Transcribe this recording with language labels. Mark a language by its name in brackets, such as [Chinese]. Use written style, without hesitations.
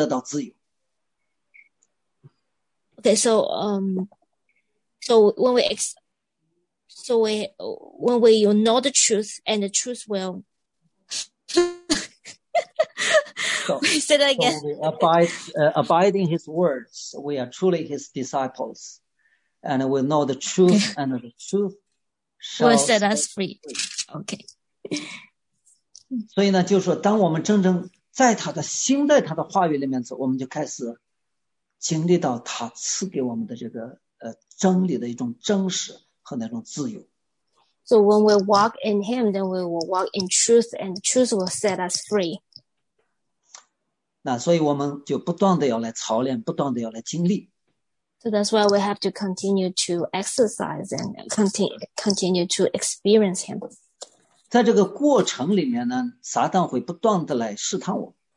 [Chinese] 就是遵守他话语的时候呢，就成为他真正的门徒，就会真正的明白真理。真理呢，让我们得到自由。 [English] Okay, so when we ex So we, when we, you know the truth, and the truth will. So, we said that again. So we abide in his words. We are truly his disciples. And we know the truth, okay. And the truth shall we'll set us free. Okay. [Chinese] 所以呢，就是说，当我们真正在他的心，在他的话语里面走，我们就开始经历到他赐给我们的这个真理的一种真实和那种自由。 [English] So when we walk in him, then we will walk in truth, and truth will set us free. [Chinese] 那所以我们就不断的要来操练，不断的要来经历。 [English] So that's why we have to continue to exercise and continue to experience him. [Chinese] 在这个过程里面呢，撒旦会不断的来试探我。